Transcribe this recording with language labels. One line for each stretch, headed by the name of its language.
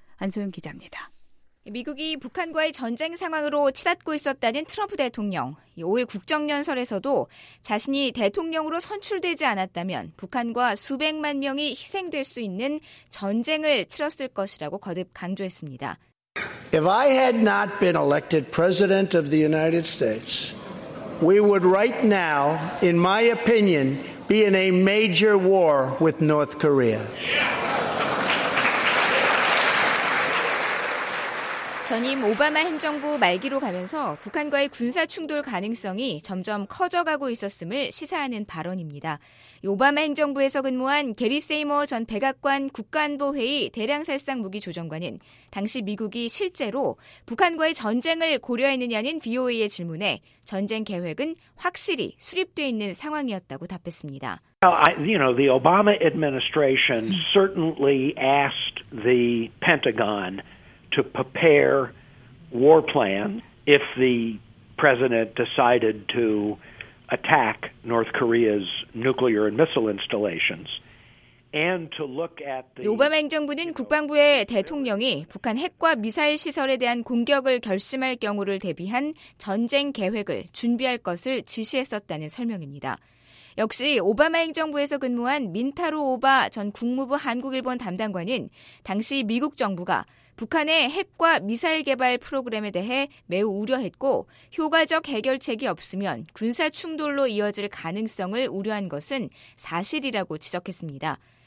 Korean: 안소영 기자입니다. 미국이 북한과의 전쟁 상황으로 치닫고 있었다는 트럼프 대통령. 5일 국정연설에서도 자신이 대통령으로 선출되지 않았다면 북한과 수백만 명이 희생될 수 있는 전쟁을 치렀을 것이라고 거듭 강조했습니다.
English: If I had not been elected president of the United States, we would right now, in my opinion, be in a major war with North Korea.
Korean: 전임 오바마 행정부 말기로 가면서 북한과의 군사 충돌 가능성이 점점 커져가고 있었음을 시사하는 발언입니다. 오바마 행정부에서 근무한 게리 세이머 전 백악관 국가안보회의 대량살상무기조정관은 당시 미국이 실제로 북한과의 전쟁을 고려했느냐는 VOA의 질문에 전쟁 계획은 확실히 수립돼 있는 상황이었다고 답했습니다.
English: The Obama administration certainly asked the Pentagon to prepare war plan if the president decided to attack North Korea's nuclear and missile installations and to look at the
Korean: 오바마 행정부는 국방부의 대통령이 북한 핵과 미사일 시설에 대한 공격을 결심할 경우를 대비한 전쟁 계획을 준비할 것을 지시했었다는 설명입니다. 역시 오바마 행정부에서 근무한 민타로 오바 전 국무부 한국일본 담당관은 당시 미국 정부가 북한의 핵과 미사일 개발 프로그램에 대해 매우 우려했고 효과적 해결책이 없으면 군사 충돌로 이어질 가능성을 우려한 것은 사실이라고 지적했습니다.